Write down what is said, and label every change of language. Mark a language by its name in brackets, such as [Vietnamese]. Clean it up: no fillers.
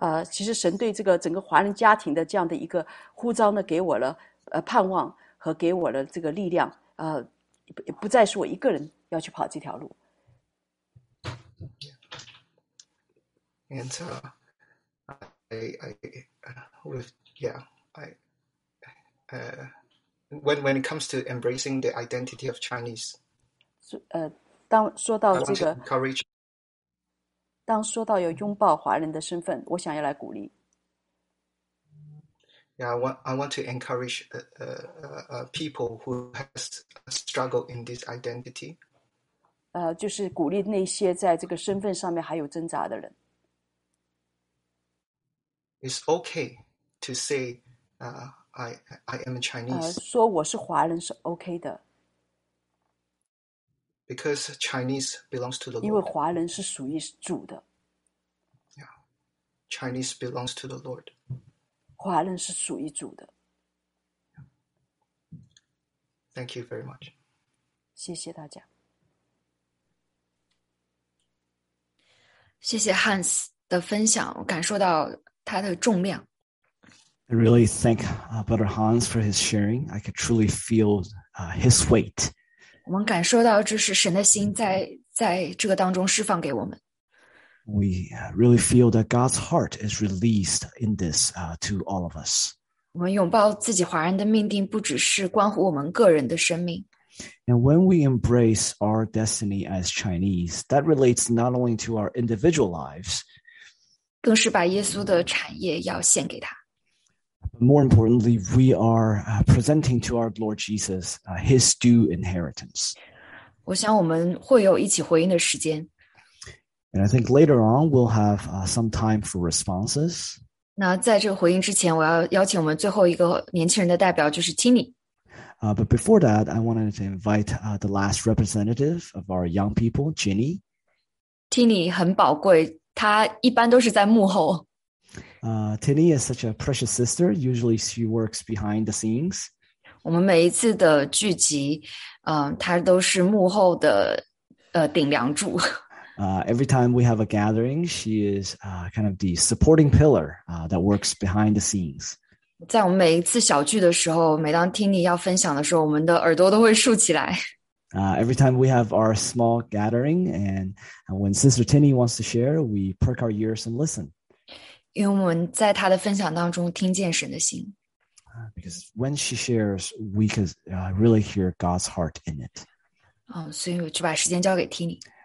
[Chinese] 其实神对这个整个华人家庭的这样的一个呼召呢，给我了盼望和给我了这个力量，不再是我一个人要去跑这条路。 [English] And when it comes to embracing the identity of Chinese, [Chinese] 当说到这个。 [English] I want to encourage [Chinese] 当说到要拥抱华人的身份，我想要来鼓励。 [English] Yeah, I want to encourage people who has struggled in this identity. [Chinese] 就是鼓励那些在这个身份上面还有挣扎的人。 [English] It's okay to say, I am a Chinese. [Chinese] 说我是华人是 OK 的。 [English] Because Chinese belongs to the Lord. [Chinese] 因为华人是属于主的。 [English] Yeah. Chinese belongs to the Lord. [Chinese] 华人是属于主的。 [English] Thank you very much. [Chinese] 谢谢大家。谢谢 Hans 的分享，我感受到他的重量。 [English] I really thank Brother Hans for his sharing. I could truly feel his weight. [Chinese] 我们感受到这是神的心在这个当中释放给我们。 [English] We really feel that God's heart is released in this to all of us. [Chinese] 我们拥抱自己华人的命定，不只是关乎我们个人的生命。 [English] And when we embrace our destiny as Chinese, that relates not only to our individual lives, [Chinese] 更是把耶稣的产业要献给他。 [English] More importantly, we are presenting to our Lord Jesus his due inheritance. [Chinese] 我想我们会有一起回应的时间。 [English] And I think later on, we'll have some time for responses. [Chinese] 那在这个回应之前，我要邀请我们最后一个年轻人的代表，就是 Tini。 [English] But before that, I wanted to invite the last representative of our young people, Ginny. [Chinese] Tini 很宝贵，她一般都是在幕后。 [English] Tini is such a precious sister. Usually she works behind the scenes. [Chinese] 我们每一次的聚集，她都是幕后的顶梁柱。 [English] Every time we have a gathering, she is kind of the supporting pillar that works behind the scenes. [Chinese] 在我们每一次小聚的时候，每当Tini要分享的时候，我们的耳朵都会竖起来。 [English] Every time we have our small gathering, and when Sister Tinny wants to share, we perk our ears and listen. Because when she shares, we can really hear God's heart in it.